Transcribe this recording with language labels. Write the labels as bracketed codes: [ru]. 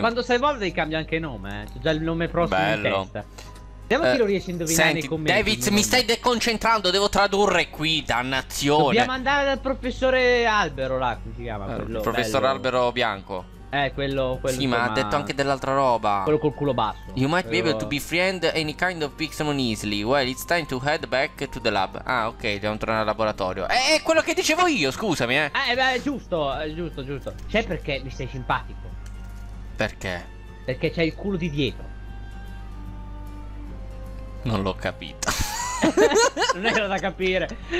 [it] Quando sei evolve cambia anche nome, c'è già il nome prossimo. Bello. In testa. Vediamo chi lo riesce a indovinare. Senti, nei commenti. David, mi stai deconcentrando, devo tradurre qui, dannazione. Dobbiamo andare dal professore Albero, là, come si chiama? Il professor bello. Albero Bianco. Quello sì, ma ha detto anche dell'altra roba. Quello col culo basso. [en] You might be able to befriend any kind of Pixelmon easily. Well, it's time to head back to the lab. [it] Ah, ok, dobbiamo tornare al laboratorio. È quello che dicevo io, scusami, giusto. C'è perché mi stai simpatico. Perché? Perché c'hai il culo di dietro. Non l'ho capito. Non era da capire.